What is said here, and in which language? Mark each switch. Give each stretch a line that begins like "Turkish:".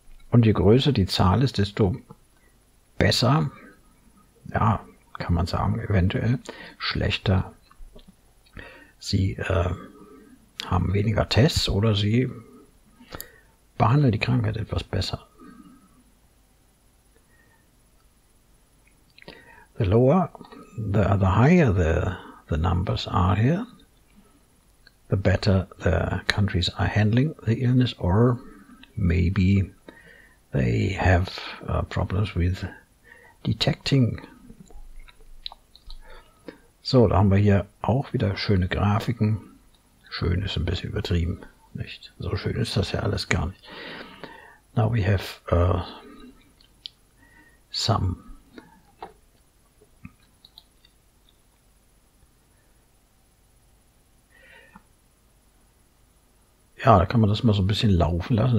German: Und je größer die Zahl ist, desto besser, ja, kann man sagen, eventuell schlechter. Sie haben weniger Tests oder sie behandeln die Krankheit etwas besser.
English: The lower, the higher the numbers are here, the better the countries are handling the illness, or maybe they have problems with detecting.
German: So, da haben wir hier auch wieder schöne Grafiken. Schön ist ein bisschen übertrieben, nicht? So schön ist das ja alles gar nicht.
English: Now we have some
German: ja, da kann man das mal so ein bisschen laufen lassen.